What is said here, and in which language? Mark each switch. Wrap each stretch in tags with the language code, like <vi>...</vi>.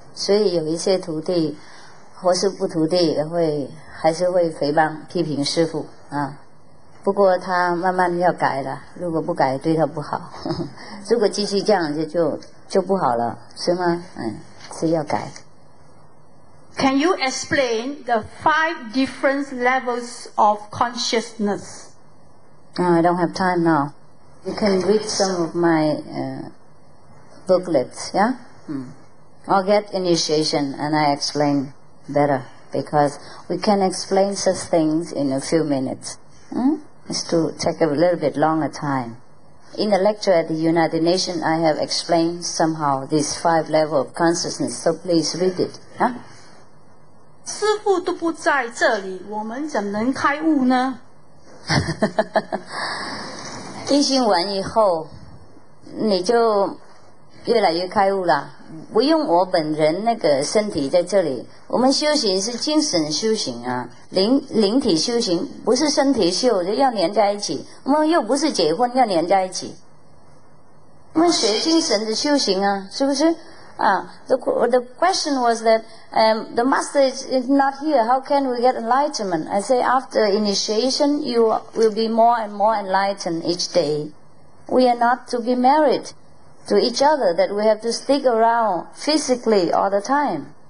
<zh>所以有一些徒弟或是不徒弟也会还是会诽谤批评师父啊，不过他慢慢要改了，如果不改对他不好，呵呵，如果继续这样就不好了，是吗？是要改。</zh> <en>Can you explain the five different levels of consciousness? I don't have time now. You can read some of my booklets, yeah? I'll get initiation and I explain better, because we can explain such things in a few minutes. It's to take a little bit longer time. In the lecture at the United Nations, I have explained somehow these five levels of consciousness, so please read it, yeah?</en> <zh>师父都不在这里，我们怎能开悟呢？一心完以后，你就越来越开悟了。不用我本人那个身体在这里，我们修行是精神修行啊，灵体修行，不是身体修，就要连在一起。我们又不是结婚，要连在一起。我们学精神的修行啊，是不是？</zh> <en>The question was that the master is not here, how can we get enlightenment? I say after initiation you will be more and more enlightened each day. We are not to be married to each other, that we have to stick around physically all the time.</en>